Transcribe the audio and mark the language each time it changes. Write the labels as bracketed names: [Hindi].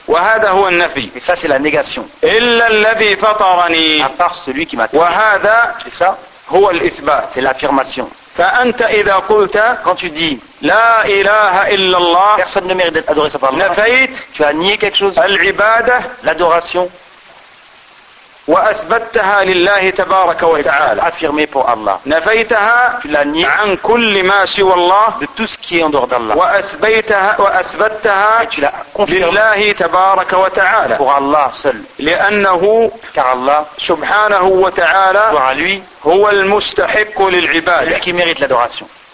[Arabic] وهذا هو النفي. [French] Et ça c'est la négation. [Arabic] إلا الذي فطرني. [French] À part celui qui m'a créé. [Arabic] وهذا. [French] C'est ça. [Arabic] هو الإثبات. [French] C'est l'affirmation. [Arabic] فأنت إذا قلت. [French] Quand tu dis. [Arabic] لا إله إلا الله. [French] Personne ne mérite d'être adoré sauf Allah. [Arabic] نفيت. [French] Tu as nié quelque chose. [Arabic] العبادة. [French] L'adoration. [Arabic] وأثبتها لله تبارك وتعالى. [French] Affirmé pour Allah. [Arabic] نفيتها. [French] Tu l'as nié. [Arabic] عن كل ما سوى الله. [French] De tout ce qui est en dehors d'Allah. [Arabic] وأثبتها. [French] Et tu l'as confirmé. [Arabic] لله تبارك وتعالى. [French] Pour Allah seul. [Arabic] لأنه. [French] Car Allah. [Arabic] سبحانه وتعالى. [French] Pour lui. [Arabic] هو المستحق للعبادة. [French] Celui qui mérite l'adoration.